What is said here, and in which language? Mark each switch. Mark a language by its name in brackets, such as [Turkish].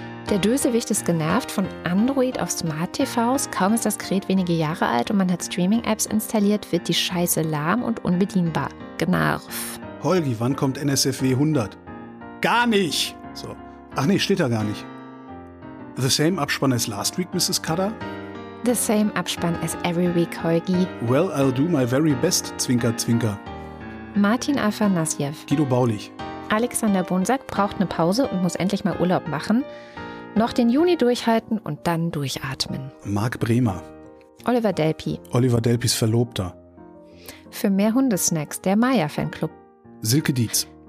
[German] Der Dösewicht ist genervt von Android auf Smart-TVs. Kaum ist das Gerät wenige Jahre alt und man hat Streaming-Apps installiert, wird die Scheiße lahm und unbedienbar. Gnarf. Holgi, wann kommt NSFW 100? Gar nicht! So. Ach nee, steht da gar nicht. [English] The same Abspann as last week, Mrs. Cutter? The same Abspann as every week, Holgi. Well, I'll do my very best, [German] Zwinker, Zwinker. Martin Afanasyev. Guido Baulich. Alexander Bonsack braucht eine Pause und muss endlich mal Urlaub machen. Noch den Juni durchhalten und dann durchatmen. Marc Bremer. Oliver Delpy. Oliver Delpys Verlobter. Für mehr Hundesnacks, der Maya-Fanclub. Silke Dietz.